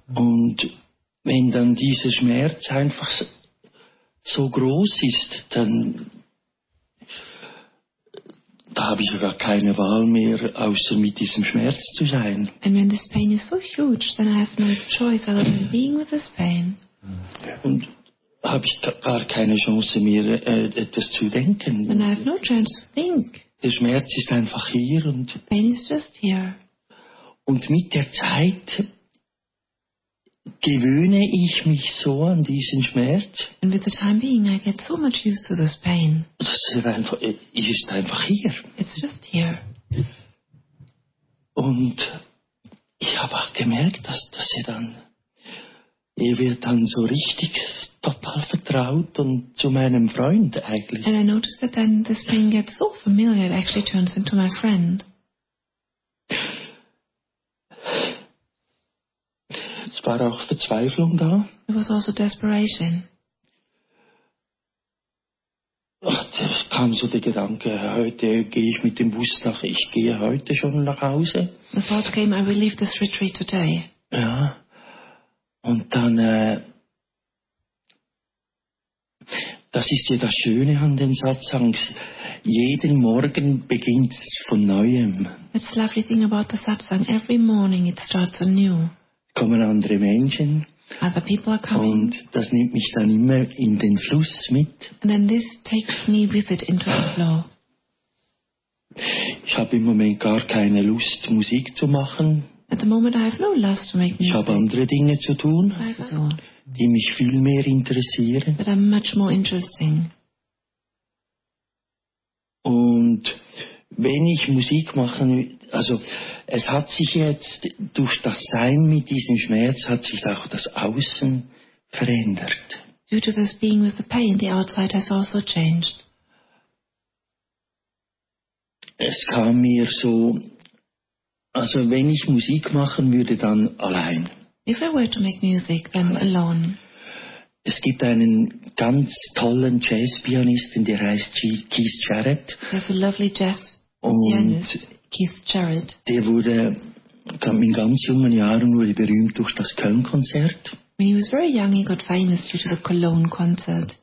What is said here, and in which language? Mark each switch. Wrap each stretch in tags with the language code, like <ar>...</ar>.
<de>Und wenn dann dieser Schmerz einfach so groß ist, dann da habe ich sogar keine Wahl mehr, außer mit diesem Schmerz zu sein.</de> <en>And when this pain is so huge, then I have no choice other than being with this pain.</en> <de>Und habe ich gar keine Chance mehr, etwas zu denken.</de> <en>And I have no chance to think.</en> <de>Der Schmerz ist einfach hier und</de> <en>the pain is just here.</en> <de>Und mit der Zeit gewöhne ich mich so an diesen Schmerz.</de> <en>And with the time being, I get so much used to this pain.</en> <de>Es ist einfach hier.</de> <en>It's just here.</en> <de>Und ich habe auch gemerkt, dass er wird dann so richtig total vertraut und zu meinem Freund eigentlich.</de> <en>And I noticed that then this pain gets so familiar, it actually turns into my friend.</en> <de>Es war auch Verzweiflung da.</de> <en>It was also desperation.</en> <de>Da kam so der Gedanke, heute gehe ich mit dem Bus nach, ich gehe heute schon nach Hause.</de> <en>The thought came, I will leave this retreat today.</en> <de>Ja. Und dann, das ist ja das Schöne an den Satsangs. Jeden Morgen beginnt es von Neuem.</de> <en>That's the lovely thing about the satsang. Every morning it starts anew.</en> <de>Kommen andere Menschen.</de> <en>Other people are coming.</en> <de>Und das nimmt mich dann immer in den Fluss mit.</de> <en>And then this takes me with it into the flow.</en> <de>Ich habe im Moment gar keine Lust, Musik zu machen.</de> <en>At the moment I have no lust to make music.</en> <de>Ich habe andere Dinge zu tun, die mich viel mehr interessieren.</de> <en>That are much more interesting.</en> <de>Und wenn ich Musik machen, also es hat sich jetzt durch das Sein mit diesem Schmerz hat sich auch das Außen verändert.</de> <en>Due to this being with the pain, the outside has also changed.</en> <de>es kam mir so, also wenn ich Musik machen würde, dann allein.</de> <en>If I were to make music, then alone.</en> <de>Es gibt einen ganz tollen Jazz-Pianisten, der heißt Keith Jarrett.</de> <en>There's a lovely jazz pianist, Keith Jarrett.</en> <de>Der wurde in ganz jungen Jahren wurde berühmt durch das Köln-Konzert.</de> <en>When he was very young, he got famous due to the Cologne concert.</en>